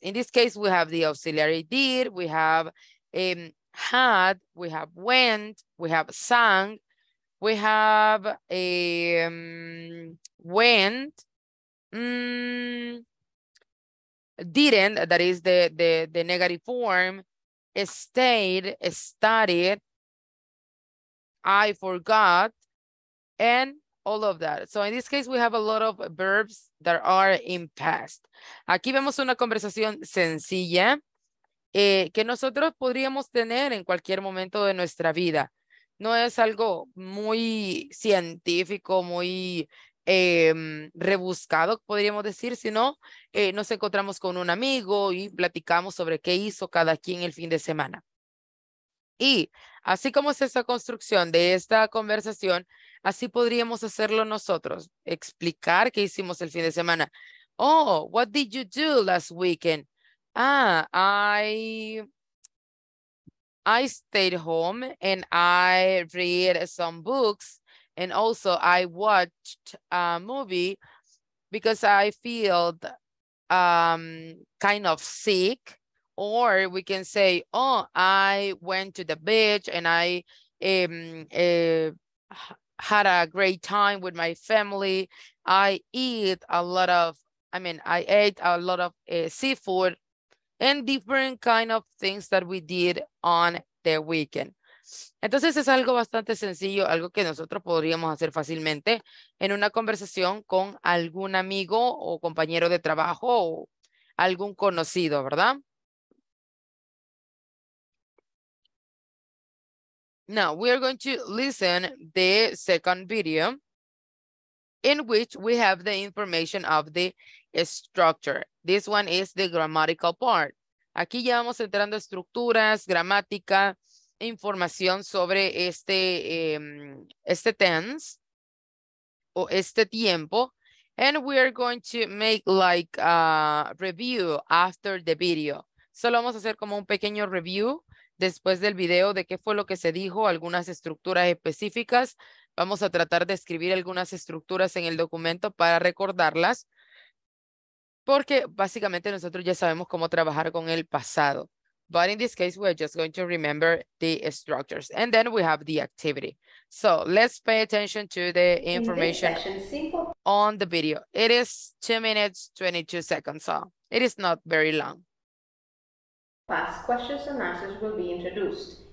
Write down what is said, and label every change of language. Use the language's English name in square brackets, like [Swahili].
[English] In this case, we have the auxiliary did, we have had, we have went, we have sang, we have went, didn't, that is the negative form, stayed, studied, I forgot, and all of that. So in this case, we have a lot of verbs that are in past. [Spanish] Aquí vemos una conversación sencilla que nosotros podríamos tener en cualquier momento de nuestra vida. No es algo muy científico, muy rebuscado, podríamos decir, sino nos encontramos con un amigo y platicamos sobre qué hizo cada quien el fin de semana. Y así como es esa construcción de esta conversación, así podríamos hacerlo nosotros, explicar qué hicimos el fin de semana. [English] Oh, what did you do last weekend? Ah, I stayed home and I read some books and also I watched a movie because I feel kind of sick. Or we can say, oh, I went to the beach and I had a great time with my family. I ate a lot of seafood and different kind of things that we did on the weekend. [Spanish] Entonces es algo bastante sencillo, algo que nosotros podríamos hacer fácilmente en una conversación con algún amigo o compañero de trabajo o algún conocido, ¿verdad? [English] Now, we are going to listen the second video in which we have the information of the structure. This one is the grammatical part. [Spanish] Aquí ya vamos entrando estructuras, gramática, información sobre este tense o este tiempo. [English] And we are going to make like a review after the video. [Spanish] Solo vamos a hacer como un pequeño review después del video de qué fue lo que se dijo, algunas estructuras específicas. Vamos a tratar de escribir algunas estructuras en el documento para recordarlas, porque básicamente nosotros ya sabemos cómo trabajar con el pasado. [English] But in this case, we're just going to remember the structures. And then we have the activity. So let's pay attention to the information on the video. It is 2 minutes, 22 seconds. So it is not very long. Past questions and answers will be introduced.